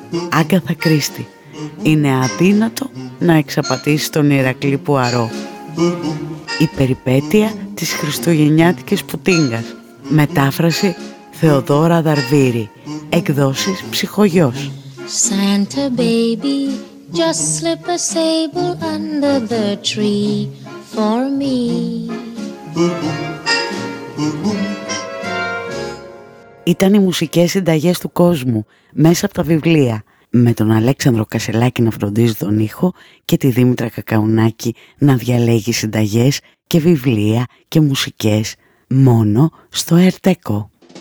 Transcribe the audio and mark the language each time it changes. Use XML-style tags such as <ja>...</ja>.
<el>Άγκαθα Κρίστη, είναι αδύνατο να εξαπατήσει τον Ηρακλή Πουαρό. Η περιπέτεια της χριστουγεννιάτικης πουτίνγκας. Μετάφραση Θεοδώρα Δαρβίρη. Εκδόσεις Ψυχογιός.</el> <en>Santa baby, just slip a sable under the tree for me.</en> <el>Ήταν οι μουσικές συνταγές του κόσμου μέσα από τα βιβλία, με τον Αλέξανδρο Κασελάκη να φροντίζει τον ήχο και τη Δήμητρα Κακαουνάκη να διαλέγει συνταγές και βιβλία και μουσικές μόνο στο AirTeco.</el>